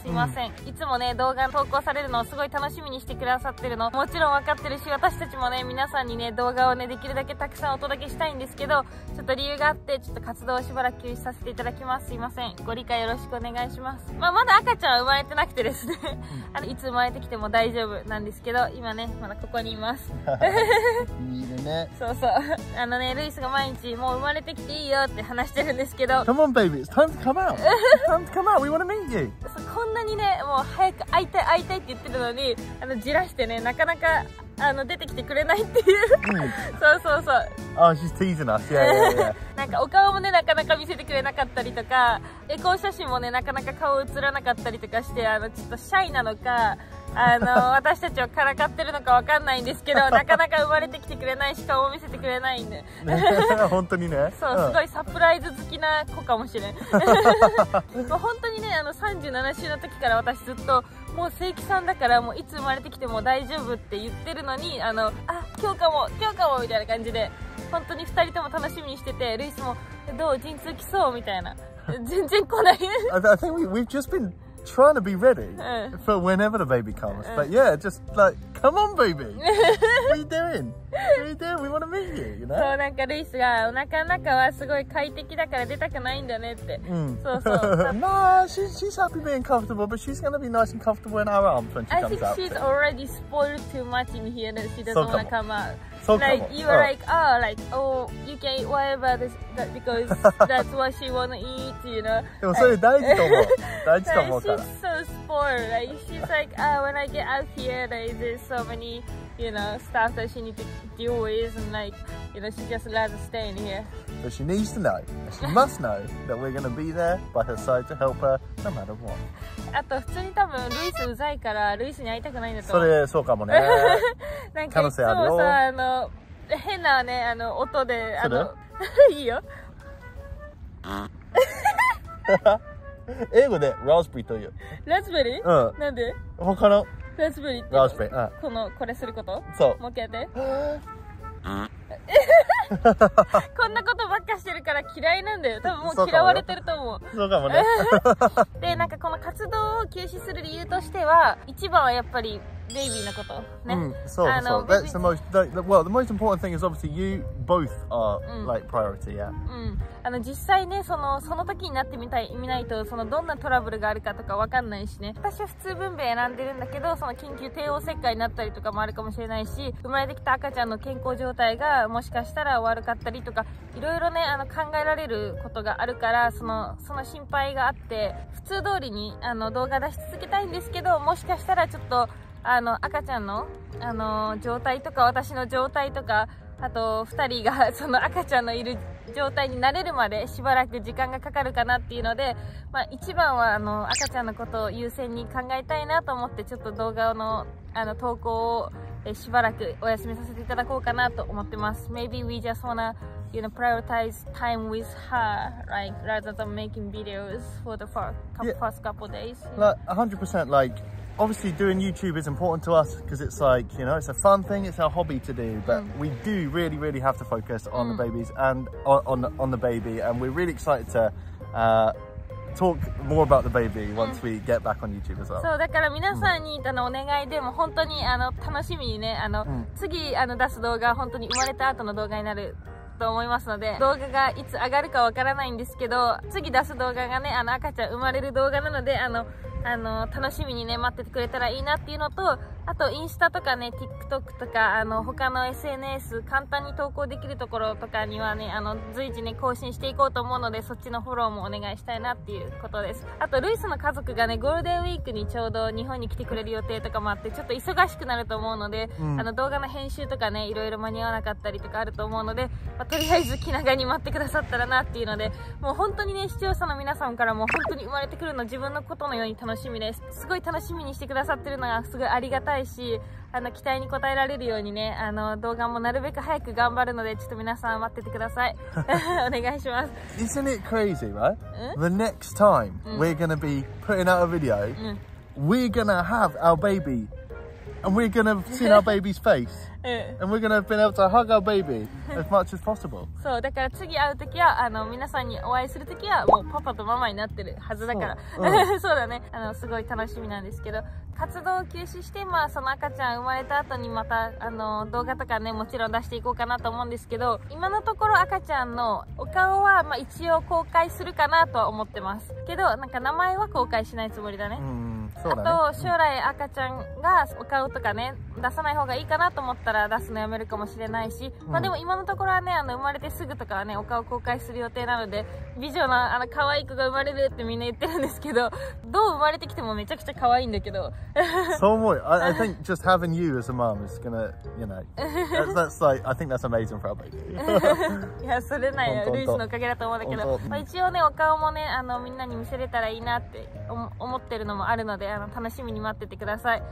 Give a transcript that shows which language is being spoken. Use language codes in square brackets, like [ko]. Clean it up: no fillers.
[ja] すいません、うん、いつもね動画投稿されるのをすごい楽しみにしてくださってるのもちろんわかってるし、私たちもね皆さんにね動画をねできるだけたくさんお届けしたいんですけど、ちょっと理由があってちょっと活動をしばらく休止させていただきます。すいません、ご理解よろしくお願いします。まあ、まだ赤ちゃんは生まれてなくてですね、あのいつ生まれてきても大丈夫なんですけど、今ねまだここにいますいるね。そうそう、あのねルイスが毎日もう生まれてきていいよって話してるんですけど、 [en] Come on baby, it's time to come out, it's time to come out, we want to meet you。 [ja] こんなにねもう早く会いたい会いたいって言ってるのに、あのじらしてねなかなかあの出てきてくれないっていう、うん、そうそうそう、 [en] あ、she's teasing us、 yeah. [ja] なんかお顔もねなかなか見せてくれなかったりとか、エコー写真もねなかなか顔映らなかったりとかして、あのちょっとシャイなのか、あの私たちをからかってるのかわかんないんですけど、なかなか生まれてきてくれないし顔を見せてくれないんで、ね、本当にね、そう、うん、すごいサプライズ好きな子かもしれんもう本当にね、あの37週の時から私ずっともう正規さんだからもういつ生まれてきても大丈夫って言ってるのに、あのあ今日かも今日かもみたいな感じで本当に2人とも楽しみにしてて、ルイスもどう陣痛来そうみたいな全然来ない [en] I think we've just been trying to be ready for whenever the baby comes but yeah just like come on baby what are you doingWe want to meet you, you know? [ja] そう、なんかルイスがお腹の中はすごい快適だから出たくないんだねって、うん、そうそう [en] Nah, she's happy being comfortable, but she's gonna be nice and comfortable in our arms when she comes out. I think she's already spoiled too much in here that she doesn't want to come out. So come on. Like, you were like, oh, like, oh, you can eat whatever this, that, because that's what she want to eat, you know? [ja] でもそれ大事と思う。大事と思うから。 [en] She's so spoiled. Like, she's like, oh, when I get out here, like, there's so many... You know, stuff that she needs to deal with, and like, you know, she's just allowed to stay in here. But she needs to know, she must know, that we're gonna be there by her side to help her no matter what. [ja] あと普通に多分ルイスうざいからルイスに会いたくないんだと思う。それそうかもね。なんかいつもさ、あの変なね、あの音で、あのいいよ。英語でラズベリーという。ラズベリー？うん。なんで？わからん。ラズベリーって、ラズベリー、うん、このこれすること？そう。もう一回やって。こんなことばっかしてるから嫌いなんだよ。多分もう嫌われてると思う。そうかもね。でなんかこの活動を休止する理由としては、一番はやっぱり。 Baby のことね。うん、そうそう。 [en] That's the most, well, the most important thing is obviously you both are、うん、like priority, yeah. [ja] うん。あの実際ね、その時になってみたい、見ないと、そのどんなトラブルがあるかとかわかんないしね。私は普通分娩選んでるんだけど、その緊急帝王切開になったりとかもあるかもしれないし、生まれてきた赤ちゃんの健康状態がもしかしたら悪かったりとか、いろいろね、あの考えられることがあるから、その心配があって、普通通りにあの動画出し続けたいんですけど、もしかしたらちょっと、あの赤ちゃんの、状態とか私の状態とかあと2人がその赤ちゃんのいる状態になれるまでしばらく時間がかかるかなっていうので、まあ、一番はあの赤ちゃんのことを優先に考えたいなと思ってちょっと動画 あの投稿をしばらくお休みさせていただこうかなと思ってます。 [en] Maybe we just wanna you know, prioritize time with her like, rather than making videos for the first couple days、 yeah. like, 100% likeObviously doing YouTube is important to us because it's like, you know, it's a fun thing, it's our hobby to do, but we do really, really have to focus on the babies and on the baby, and we're really excited to talk more about the baby once we get back on YouTube as well. [ja] そう、だから皆さんにのお願いでも本当にあの楽しみにね、あの次あの出す動画は本当に生まれた後の動画になると思いますので、動画がいつ上がるかわからないんですけど、次出す動画がね、あの赤ちゃん生まれる動画なので、あの楽しみにね待っててくれたらいいなっていうのと、あとインスタとかね TikTok とかあの他の SNS 簡単に投稿できるところとかにはね、あの随時ね更新していこうと思うので、そっちのフォローもお願いしたいなっていうことです。あとルイスの家族がねゴールデンウィークにちょうど日本に来てくれる予定とかもあって、ちょっと忙しくなると思うので、うん、あの動画の編集とかねいろいろ間に合わなかったりとかあると思うので、まあ、とりあえず気長に待ってくださったらなっていうので、もう本当にね視聴者の皆さんからも本当に生まれてくるの自分のことのように楽しみです。すごい楽しみにしてくださってるのがすごいありがたいいし、あの期待に応えられるようにね、あの動画もなるべく早く頑張るので、ちょっと皆さん待っててくださいお願いします。 [en] Isn't it crazy, right? The next time we're gonna be putting out a video, we're gonna have our baby and we're gonna have seen our baby's face and we're gonna have been able to hug our baby as much as possible. [ja] そうだから、次会う時はあの皆さんにお会いする時はもうパパとママになってるはずだから、そうだね、あのすごい楽しみなんですけど、活動を休止して、まあその赤ちゃん生まれた後にまたあの動画とかね、もちろん出していこうかなと思うんですけど、今のところ赤ちゃんのお顔はまあ一応公開するかなとは思ってますけど、なんか名前は公開しないつもりだね。そうだね、あと将来赤ちゃんがお顔とかね、出さない方がいいかなと思ったら出すのやめるかもしれないし、まあでも今のところはね、あの生まれてすぐとかはね、お顔公開する予定なので、美女のあの可愛い子が生まれるってみんな言ってるんですけど、どう生まれてきてもめちゃくちゃ可愛いんだけど、そう思う。 [en] I think just having you as a mom is gonna, you know, that's like, I think that's amazing for our baby. [ja] いやそれないよ、ルイスのおかげだと思うんだけど、まあ、一応ねお顔もね、あのみんなに見せれたらいいなって思ってるのもあるので、あの楽しみに待っててください。